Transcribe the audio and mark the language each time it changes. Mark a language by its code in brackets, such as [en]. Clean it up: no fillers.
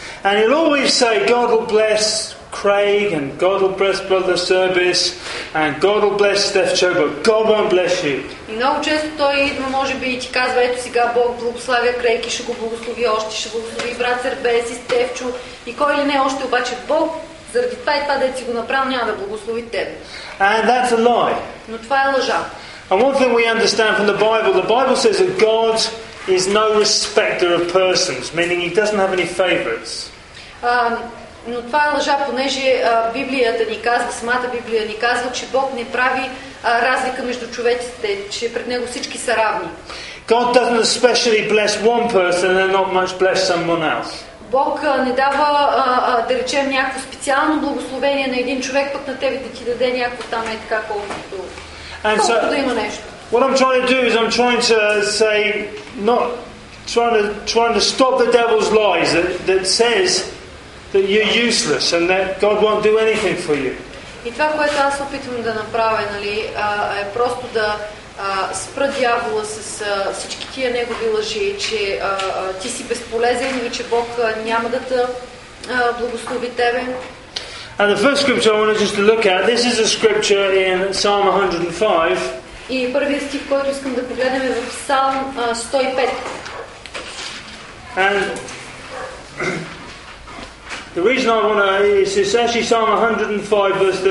[en] And he'll always say, God will bless Craig and God will bless Brother Service and God will bless Steph Cho, but God won't bless you. [bg] И много често той идва, може би, и ти казва, ето сега Бог благославя Крейг и ще го благослови още, ще благослови брат Сербес и Стефчо и кой ли не още, обаче Бог заради това и това да си го направил, няма да благослови теб. [en] And that's a lie. [bg] Но това е лъжа. [en] And one thing we understand from the Bible says that God is no respecter of persons, meaning he doesn't have any favorites. [bg] Но това е лъжа, понеже Библията ни казва, самата Библия ни казва, че Бог не прави разлика между човеците, че пред него всички са равни. [en] God doesn't especially bless one person and not much bless someone else. [bg] Бог не дава, да речем, някакво специално благословение на един човек, пък на тебе да ти даде някакво там, е така, колкото да има нещо. [en] What I'm trying to do is I'm trying to say, not trying to stop the devil's lies that says that you're useless and that God won't do anything for you. [bg] И това, което аз опитвам да направя, нали, е просто да спра дявола с всички тия негови лъжи, че ти си безполезен и че Бог няма да те благослови тебе. [en] And the first scripture I want to just look at, this is a scripture in Psalm 105. [bg] И първият стих, който искам да погледнем, е в Псалм 105. [en] And the reason I want to is actually Psalm 105 verse 37.